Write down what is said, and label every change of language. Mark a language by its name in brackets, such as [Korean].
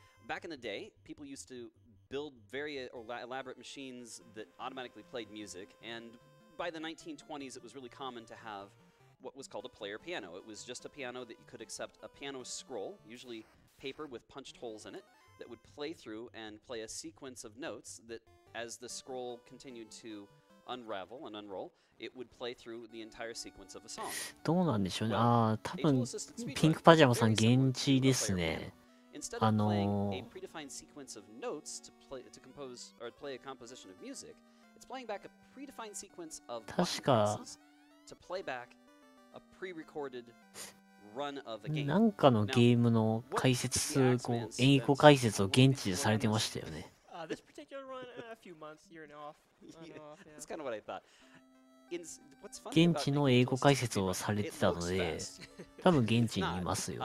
[English] Back in the day, people used to build very elaborate machines that automatically played music, andBy the 1920s, it was really common to have what was called a player piano. It was just a piano that you could accept a piano scroll, usually paper with punched holes in it, that would play through and play a sequence of notes that, as the scroll continued to unravel and unroll, it would play through the entire sequence of a song. [Japanese] どうなんでしょうね。ああ、多分ピンクパジャマさん現地ですね。 [English] a predefined sequence of notes to play to compose or play a composition of music, it's playing back a predefined sequence of buttons to play back a pre-recorded run of a game. [Japanese] なんかのゲームの解説こう演技後解説を現地でされてましたよね。 [English] This particular run, a few months, you're an off. That's kind of what I thought. [Japanese] 現地の英語解説をされてたので、多分現地にいますよ。